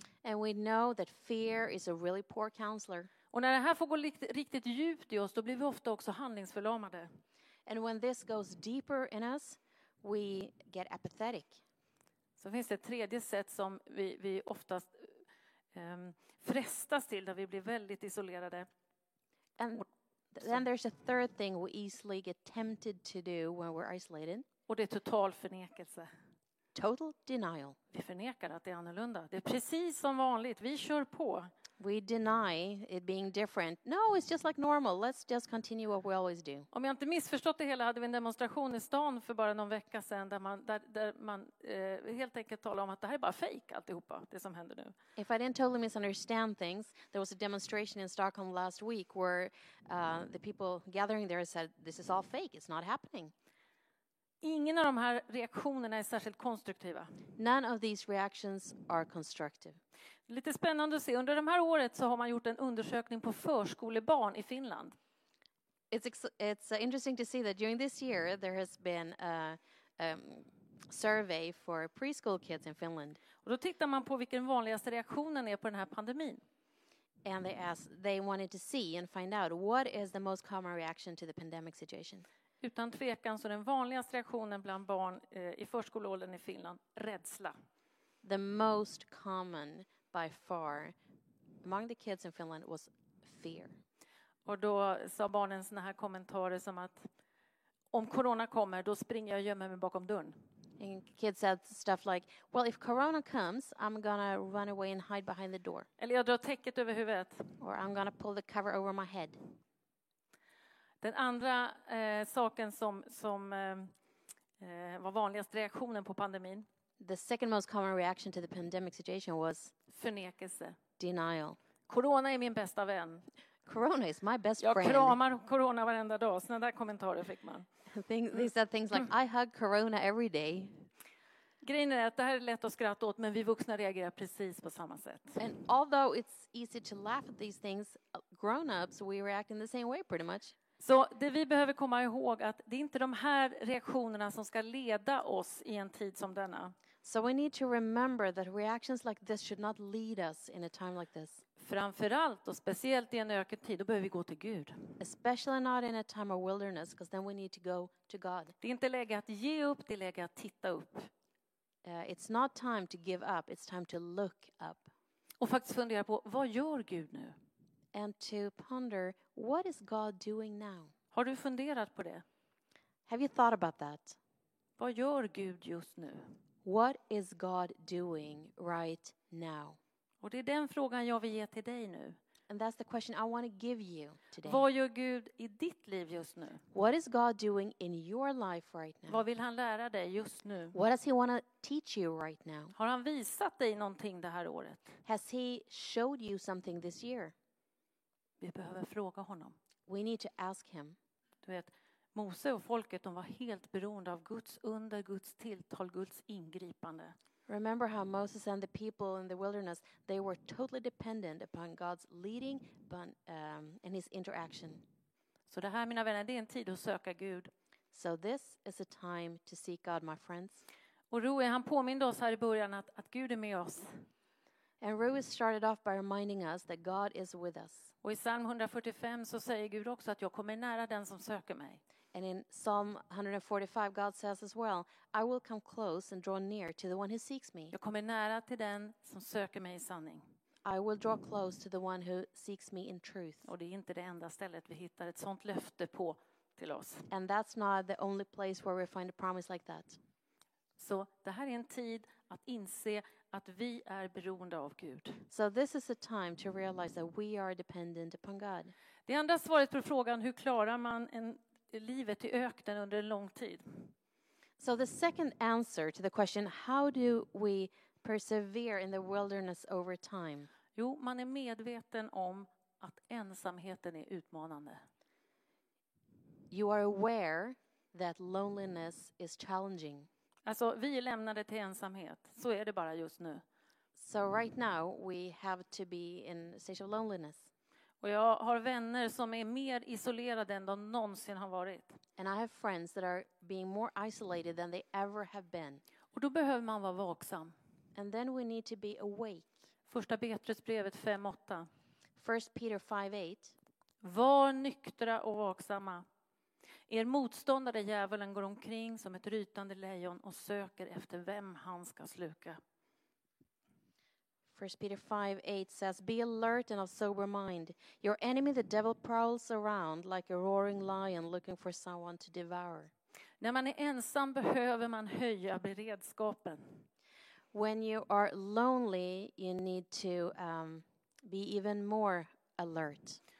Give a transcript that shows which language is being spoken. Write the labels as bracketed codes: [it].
[en] And we know that fear is a really poor counselor. [sv] Och när det här får gå riktigt djupt i oss, då blir vi ofta också handlingsförlamade. [en] And when this goes deeper in us, we get apathetic. [sv] Så finns det ett tredje sätt som vi oftast frestas till när vi blir väldigt isolerade. [en] And then there's a third thing we easily get tempted to do when we're isolated. [sv] Och det är total förnekelse. [en] Total denial. [sv] Vi förnekar att det är annorlunda. Det är precis som vanligt. Vi kör på. [en] We deny it being different. No, it's just like normal. Let's just continue what we always do. [sv] Om jag inte missförstått det hela hade vi en demonstration i stan för bara någon vecka sedan där man helt enkelt talade om att det här är bara fake alltihopa, det som händer nu. [en] If I didn't totally misunderstand things, there was a demonstration in Stockholm last week where the people gathering there said this is all fake, it's not happening. [sv] Ingen av de här reaktionerna är särskilt konstruktiva. [en] None of these reactions are constructive. [sv] Lite spännande att se. Under det här året så har man gjort en undersökning på förskolebarn i Finland. [en] It's interesting to see that during this year there has been a survey for preschool kids in Finland. [sv] Och då tittar man på vilken vanligaste reaktionen är på den här pandemin. [en] And they wanted to see and find out what is the most common reaction to the pandemic situation. [sv] Utan tvekan så den vanligaste reaktionen bland barn i förskoleåldern i Finland, rädsla. [en] The most common by far among the kids in Finland was fear. [sv] Och då sa barnen såna här kommentarer som att om corona kommer då springer jag och gömmer mig bakom dörren. [en] And kids said stuff like, well, if corona comes, I'm gonna run away and hide behind the door. [sv] Eller jag drar täcket över huvudet. [en] Or I'm gonna pull the cover over my head. [sv] Den andra saken som var vanligast reaktionen på pandemin. [en] The second most common reaction to the pandemic situation was [sv] förnekelse. [en] Denial. [sv] Corona är min bästa vän. [en] Corona is my best [sv] jag [en] friend. [sv] Jag kramar corona varenda dag. Såna där kommentarer fick man. [en] They said things like I hug corona every day. [sv] Grejen är att det här är lätt att skratta åt, men vi vuxna reagerar precis på samma sätt. [en] And although it's easy to laugh at these things, grown-ups, we react in the same way pretty much. [sv] Så det vi behöver komma ihåg att det är inte de här reaktionerna som ska leda oss i en tid som denna. [en] So we need to remember that reactions like this should not lead us in a time like this. [sv] Framförallt och speciellt i en ökad tid då behöver vi gå till Gud. [en] Especially not in a time of wilderness because then we need to go to God. [sv] Det är inte läge att ge upp, det är läge att titta upp. [en] It's not time to give up, it's time to look up. [sv] Och faktiskt fundera på vad gör Gud nu? [en] And to ponder, what is God doing now? [sv] Har du funderat på det? [en] Have you thought about that? [sv] Vad gör Gud just nu? [en] What is God doing right now? [sv] Och det är den frågan jag vill ge till dig nu. [en] And that's the question I want to give you today. [sv] Vad gör Gud i ditt liv just nu? [en] What is God doing in your life right now? [sv] Vad vill han lära dig just nu? [en] What does he want to teach you right now? [sv] Har han visat dig någonting det här året? [en] Has he showed you something this year? [sv] Vi behöver fråga honom. [en] We need to ask him. [sv] Du vet, Mose och folket, de var helt beroende av Guds under, Guds tilltal, Guds ingripande. [en] Remember how Moses and the people in the wilderness, they were totally dependent upon God's leading and his interaction. [sv] Så det här, mina vänner, det är en tid att söka Gud. [en] So this is a time to seek God, my friends. [sv] Och Rui, han påminner oss här i början att Gud är med oss. [en] And Rui started off by reminding us that God is with us. [sv] Och i psalm 145 så säger Gud också att jag kommer nära den som söker mig. [en] And in psalm 145 God says as well, I will come close and draw near to the one who seeks me. [sv] Jag kommer nära till den som söker mig i sanning. [en] I will draw close to the one who seeks me in truth. [sv] Och det är inte det enda stället vi hittar ett sånt löfte på till oss. [en] And that's not the only place where we find a promise like that. [sv] Så det här är en tid att inse att vi är beroende av Gud. [en] So this is a time to realize that we are dependent upon God. [sv] Det andra svaret på frågan hur klarar man livet i öknen under en lång tid? [en] So the second answer to the question how do we persevere in the wilderness over time? [sv] Jo, man är medveten om att ensamheten är utmanande. [en] You are aware that loneliness is challenging. [sv] Alltså, vi är lämnade till ensamhet. Så är det bara just nu. [en] So right now we have to be in a state of loneliness. [sv] Och jag har vänner som är mer isolerade än de någonsin har varit. [en] And I have friends that are being more isolated than they ever have been. [sv] Och då behöver man vara vaksam. [en] And then we need to be awake. [sv] Första Petrusbrevet 5:8. [en] First Peter 5:8. [sv] Var nyktra och vaksamma. Er motståndare djävulen går omkring som ett rytande lejon och söker efter vem han ska sluka. [en] 1 Peter 5:8 says, "Be alert and of sober mind. Your enemy, the devil, prowls around like a roaring lion looking for someone to devour." [sv] När man är ensam behöver man höja beredskapen. [en] When you are lonely, you need to be even more alert.